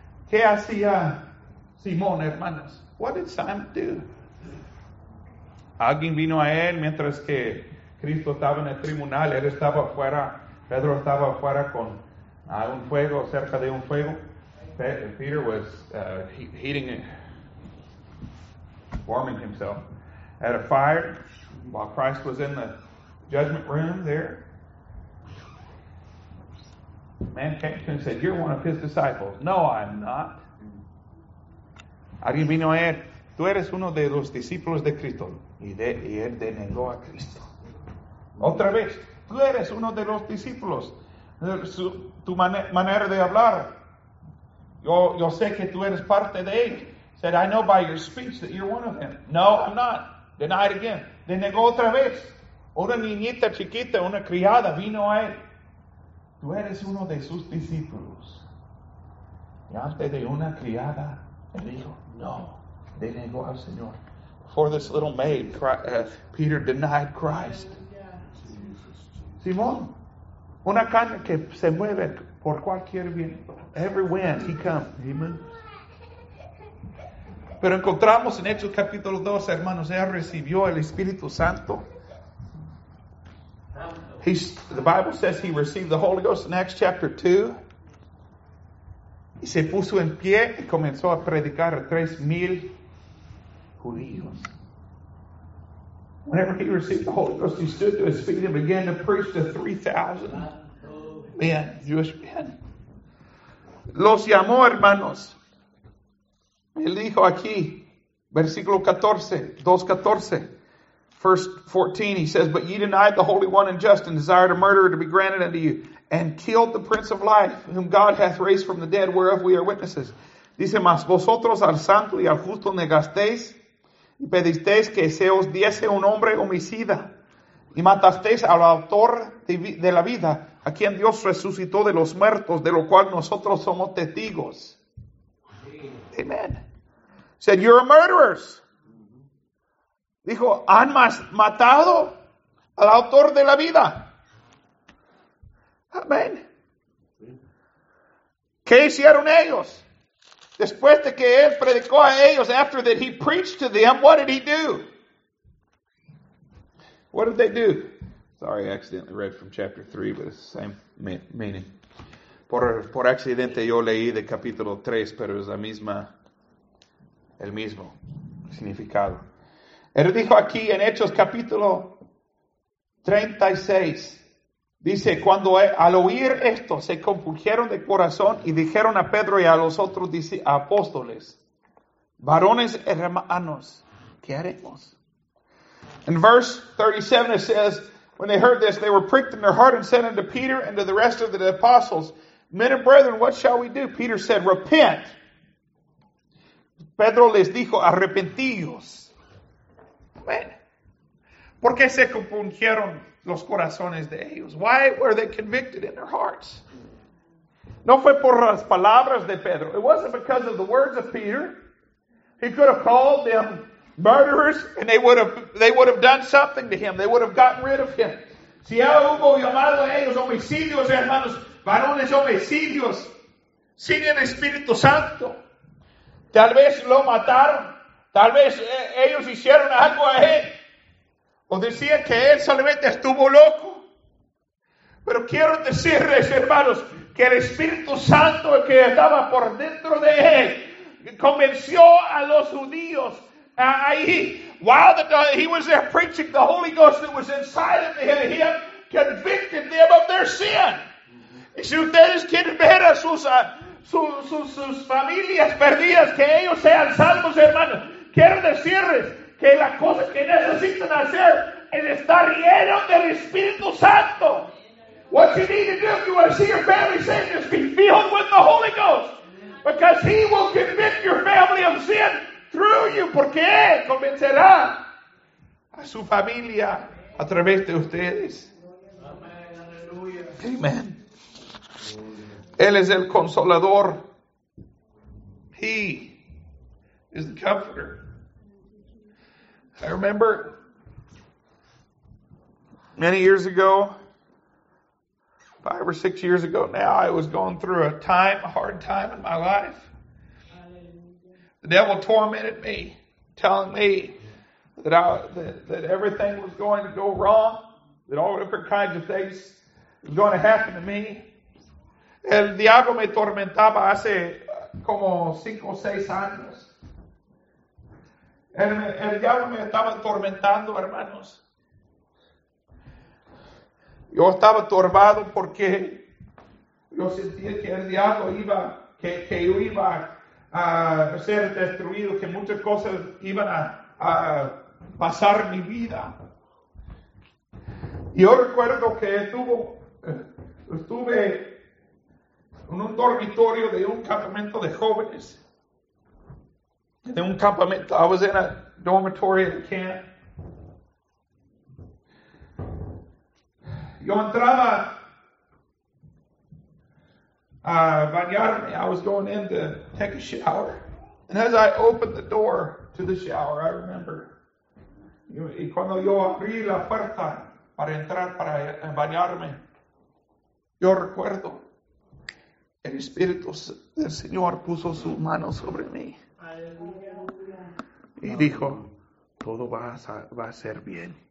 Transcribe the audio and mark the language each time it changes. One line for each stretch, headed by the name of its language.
Spanish: ¿Qué hacía Simón, hermanos?
English: What did Simon do?
Spanish: Alguien vino a él mientras que Cristo estaba en el tribunal. Él estaba afuera. Pedro estaba afuera con un fuego, cerca de un fuego.
English: Peter was heating it, warming himself at a fire while Christ was in the judgment room there. Man came to him and said, you're one of his disciples. No, I'm not.
Spanish: Alguien vino a él. Tú eres uno de los discípulos de Cristo. Y él denegó a Cristo. Otra vez. Tú eres uno de los discípulos. Tu manera de hablar. Yo sé que tú eres parte de él.
English: Said, I know by your speech that you're one of them. No, I'm not. Denied again.
Spanish: Denegó otra vez. Una niñita chiquita, una criada vino a él. Tú eres uno de sus discípulos. Y antes de una criada, él dijo, no, denegó al Señor.
English: Before this little maid, Peter denied Christ.
Spanish: Simón, una caña que se mueve por cualquier viento.
English: Every wind, he comes. Amen.
Spanish: Pero encontramos en Hechos capítulo 2, hermanos, él recibió el Espíritu Santo.
English: The Bible says he received the Holy Ghost in Acts chapter 2.
Spanish: Y se puso en pie y comenzó a predicar a 3,000 judíos.
English: Whenever he received the Holy Ghost, he stood to his feet and began to preach to 3,000 men, Jewish men.
Spanish: Los llamó, hermanos. Él dijo aquí, versículo 2:14.
English: First 14, he says, but ye denied the Holy One and just and desired a murderer to be granted unto you and killed the Prince of Life, whom God hath raised from the dead, whereof we are witnesses.
Spanish: Dice, mas vosotros al santo y al justo negasteis y pedisteis que se os diese un hombre homicida, y matasteis al autor de la vida, a quien Dios resucitó de los muertos, de lo cual nosotros somos testigos. Amen.
English: Said, you're murderers.
Spanish: Dijo, han matado al autor de la vida. Amen. ¿Qué hicieron ellos? Después de que él predicó a ellos,
English: after that he preached to them, what did he do? What did they do? Sorry, I accidentally read from chapter 3, but it's the same meaning.
Spanish: Por accidente yo leí de capítulo 3, pero es la misma, el mismo significado. Él dijo aquí en Hechos capítulo 36, dice, cuando al oír esto se compungieron de corazón y dijeron a Pedro y a los otros apóstoles, varones hermanos, ¿qué haremos?
English: In verse 37 it says, when they heard this, they were pricked in their heart and said unto Peter and to the rest of the apostles, men and brethren, what shall we do? Peter said, repent.
Spanish: Pedro les dijo, arrepentíos.
English: Amen.
Spanish: ¿Por qué se compungieron los corazones de ellos?
English: Why were they convicted in their hearts?
Spanish: No fue por las palabras de Pedro.
English: It wasn't because of the words of Peter. He could have called them murderers, and they would have done something to him. They would have gotten rid of him.
Spanish: Si ya hubo llamado a ellos homicidios, hermanos, varones homicidios, sin el Espíritu Santo, tal vez lo mataron. Tal vez ellos hicieron algo a él. O decía que él solamente estuvo loco. Pero quiero decirles, hermanos, que el Espíritu Santo que estaba por dentro de él convenció a los judíos.
English: While he was there preaching, the Holy Ghost that was inside of him, he convicted them of their sin.
Spanish: Y si ustedes quieren ver a sus familias perdidas, que ellos sean salvos, hermanos, quiero decirles que la cosa que necesitan hacer es estar lleno del Espíritu Santo.
English: What you need to do if you want to see your family saved is be filled with the Holy Ghost. Because he will convict your family of sin through you.
Spanish: Porque convencerá a su familia a través de ustedes. Amen. Amen. Él es el consolador.
English: He is the comforter. I remember many years ago, 5 or 6 years ago now, I was going through a hard time in my life. The devil tormented me, telling me that everything was going to go wrong, that all different kinds of things were going to happen to me.
Spanish: El diablo me tormentaba hace como 5 o 6 años. El diablo me estaba atormentando, hermanos. Yo estaba atorbado porque yo sentía que el diablo iba, que yo iba a ser destruido, que muchas cosas iban a pasar en mi vida. Yo recuerdo que estuve en un dormitorio de un campamento de jóvenes.
English: I was in a dormitory at a camp.
Spanish: Yo entraba a bañarme.
English: I was going in to take a shower. And as I opened the door to the shower, I remember.
Spanish: Y cuando yo abrí la puerta para entrar para bañarme, yo recuerdo el Espíritu del Señor puso su mano sobre mí. Y dijo, todo va a ser bien.